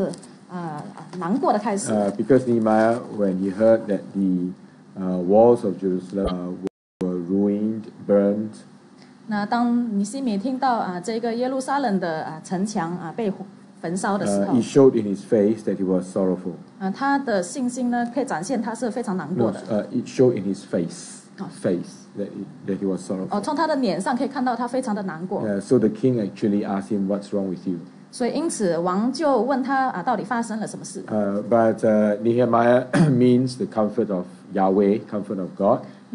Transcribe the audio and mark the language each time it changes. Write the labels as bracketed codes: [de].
[zh] 那在尼希米书的开始呢，是难过的开始。 [en] Because Nehemiah, when he heard that the walls of Jerusalem were ruined, burned. [zh] 那当尼希米听到这个耶路撒冷的城墙被焚烧的时候， [en] It showed in his face that he was sorrowful. [zh] 他的信心呢，可以展现他是非常难过的。 [en] It showed in his face. That he was sorrowful. [zh] 从他的脸上可以看到他非常的难过。 [en] So the king actually asked him, "What's wrong with you?" [zh] 所以因此王就问他到底发生了什么事。 [en] Nehemiah means the comfort of Yahweh, comfort of God.